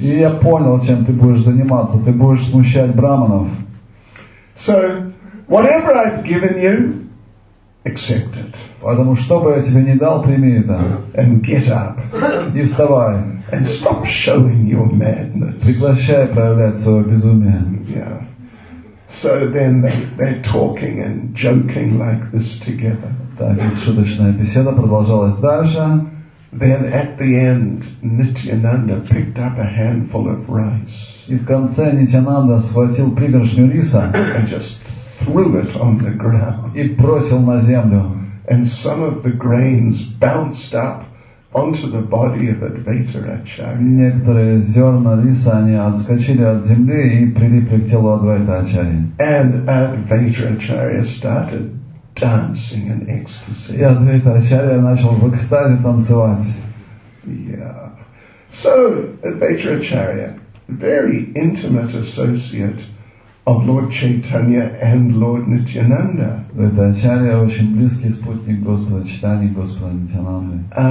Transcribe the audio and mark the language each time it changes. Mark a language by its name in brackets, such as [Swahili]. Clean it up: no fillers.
[Russian] И я понял, чем ты будешь заниматься. Ты будешь смущать брахманов. [English] So, whatever I've given you, accept it. [Russian] Потому что бы я тебе не дал, прими это. [English] And get up. [Russian] И вставай. [English] And stop showing your madness. [Russian] Прекращай проявлять свое безумие. [English] Yeah. So then they're talking and joking like this together. [Russian] Так, шуточная беседа продолжалась дальше. [English] Then at the end, Nityananda picked up a handful of rice. [Russian] И в конце Нитянанда схватил пригоршню риса [English] and just threw it on the ground. [Russian] И бросил на землю. [English] And some of the grains bounced up onto the body of Advaita Acharya. [Russian] Некоторые зерна риса они отскочили от земли и прилипли к телу Адвайта Ачарьи. [English] And Advaita Acharya started dancing in ecstasy. [Russian] И Адвайта Ачарья начал в экстазе танцевать. [English] Yeah. So Advaita Acharya, very intimate associate of Lord Chaitanya and Lord Nityananda. [Russian] Это Ачарья очень близкий спутник Господа Читания, Господа Нитянанды.